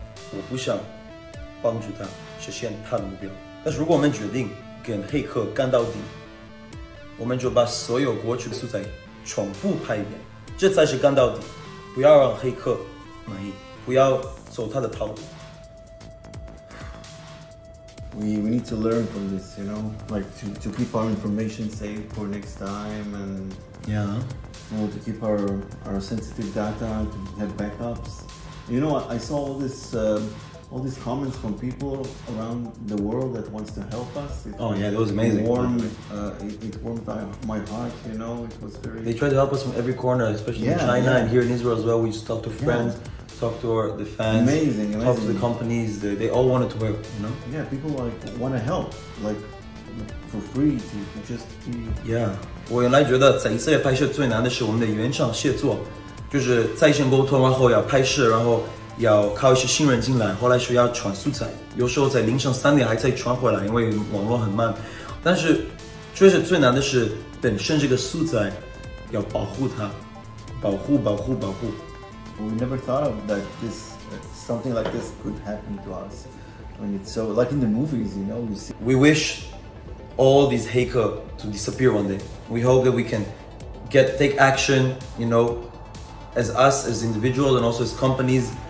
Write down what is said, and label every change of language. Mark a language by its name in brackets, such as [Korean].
[Chinese] 我不想帮助他实现他的目标，但是如果我们决定跟黑客干到底，我们就把所有过去的素材重复拍一遍，这才是干到底。不要让黑客满意，不要走他的套路。 [English] We need to learn from this, you know, like to keep our information safe for next time and yeah, you know, to keep our sensitive data, to have backups. You know, I saw all this all these comments from people around the world that wants to help us. It was amazing. It warmed my heart, you know. It was very... They tried to help us from every corner, especially in China and here in Israel as well. We just talked to friends, talked to the fans. Amazing. Talked to the companies. They all wanted to work, you know? Yeah, people like want to help, like, for free to just be... Yeah. [Chinese] 我原来觉得在以色列拍摄最难的是我们的原厂协作，就是在线沟通，然后要拍摄，然后要靠一些新人进来，后来说要传素材，有时候在凌晨三点还在传回来，因为网络很慢。但是确实最难的是本身这个素材要保护它，保护保护保护。 [English] We never thought of that this something like this could happen to us. When it's so like in the movies, you know, we wish all these hacker to disappear one day. We hope that we can take action, you know, as us, as individuals, and also as companies.